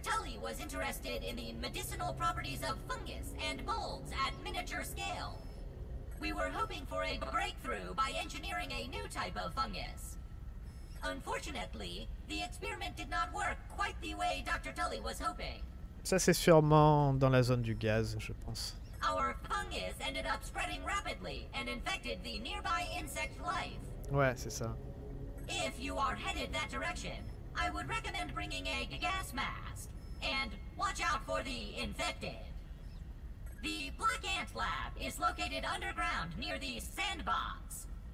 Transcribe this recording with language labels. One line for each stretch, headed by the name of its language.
English: Tully was interested in the medicinal properties of fungus and molds at miniature scale. We were hoping for a breakthrough by engineering a new type of fungus. Unfortunately, the experiment did not work quite the way Dr. Tully was hoping.
French: Ça, c'est sûrement dans la zone du gaz, je pense.
English: Our fungus ended up spreading rapidly and infected the nearby insect life.
French: Ouais, c'est ça.
English: If you are headed that direction, I would recommend bringing a gas mask and watch out for the infected. The Black Ant Lab is located underground near the sandbox.